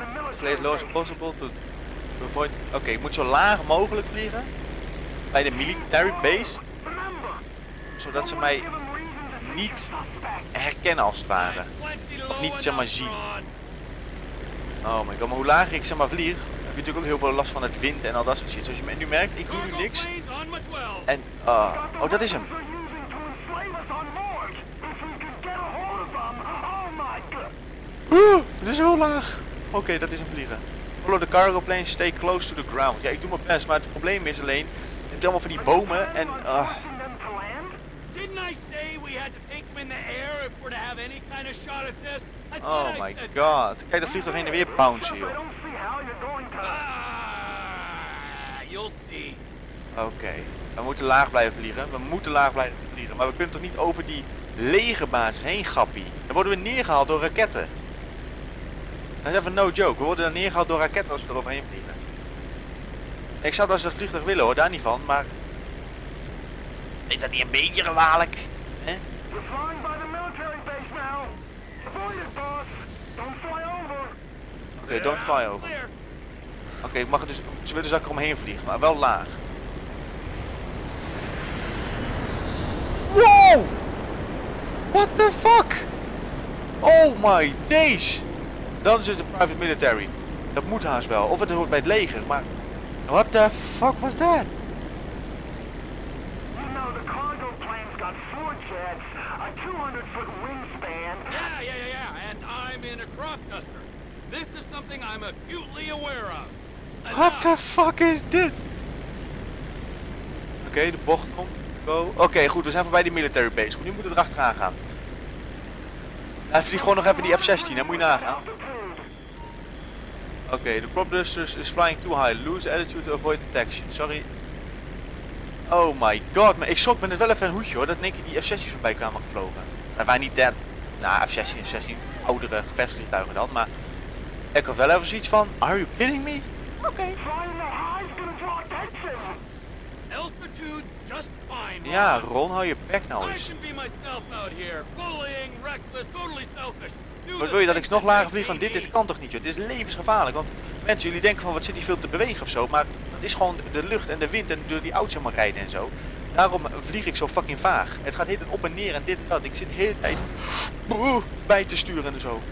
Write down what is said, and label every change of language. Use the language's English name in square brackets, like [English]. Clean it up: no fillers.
[English] Vlees low as possible to avoid. [Dutch] Oké, ik moet zo laag mogelijk vliegen. Bij de military base. Zodat ze mij niet herkennen als het ware. Of niet zeg maar zien. Oh my god, maar hoe lager ik zeg maar vlieg, heb je natuurlijk ook heel veel last van het wind en al dat soort shit. Zoals je nu merkt, ik hoor nu niks. En oh, dat is hem. Het is heel laag. Oké, dat is een vliegen. [English] Follow the cargo plane, stay close to the ground. [Dutch] Ja, ik doe mijn best, maar het probleem is alleen, je hebt allemaal van die bomen en [English] Didn't I say we had to take them in the air if we're to have any kind of shot at this? Oh my god. [Dutch] Kijk, dat vliegtuig heen en weer bouncy, joh. [English] You'll see. [Dutch] Oké. We moeten laag blijven vliegen. We moeten laag blijven vliegen. Maar we kunnen toch niet over die legerbasis heen, grappie. Dan worden we neergehaald door raketten. Dat is even [English] no joke, [Dutch] we worden dan neergehaald door raketten als we eroverheen vliegen. Ik zou wel eens dat vliegtuig willen hoor, daar niet van, maar is dat niet een beetje gevaarlijk? [English] We flying by the military base now. Avoid it, boss. Don't fly over. [Dutch] Oké, [English] don't fly over. [Dutch] Oké, ik mag dus. Ze willen dus ook eromheen vliegen, maar wel laag. [English] Wow! What the fuck? Oh my days! [Dutch] Dat is dus de private military. Dat moet haast wel. Of het hoort bij het leger, maar [English] what the fuck was that? You know, the cargo plane's got four jets, a 200-foot wingspan. Yeah. And crop duster. This is something I'm acutely aware of. Enough. What the fuck is dit? [Dutch] Oké, okay, de bocht komt. Oké, goed, we zijn voorbij die military base. Goed, nu moeten we erachteraan gaan. Even die gewoon nog even die F-16, hè, moet je nagaan. [English] Oké, de crop duster is flying too high. Lose attitude to avoid detection. Sorry. [Dutch] Oh my god, maar ik schrok me net wel even een hoedje hoor, dat in één keer die F-16's voorbij kwamen gevlogen. En wij niet dan, nou F-16, F-16, oudere gevechtsvliegtuigen dan, maar ik had wel even zoiets van, [English] are you kidding me? [Dutch] Oké. [English] Altitude's just fine. [Dutch] Ja, Ron, hou je bek nou eens. [English] I should be myself out here, bullying, reckless, totally selfish. [Dutch] Wat wil je dat ik nog lager vlieg van dit kan toch niet joh, dit is levensgevaarlijk, want mensen, jullie denken van wat zit hier veel te bewegen ofzo, maar het is gewoon de lucht en de wind en door die auto's helemaal rijden en zo. Daarom vlieg ik zo fucking vaag. Het gaat heel op en neer en dit en dat. Ik zit heel de tijd bij te sturen en zo.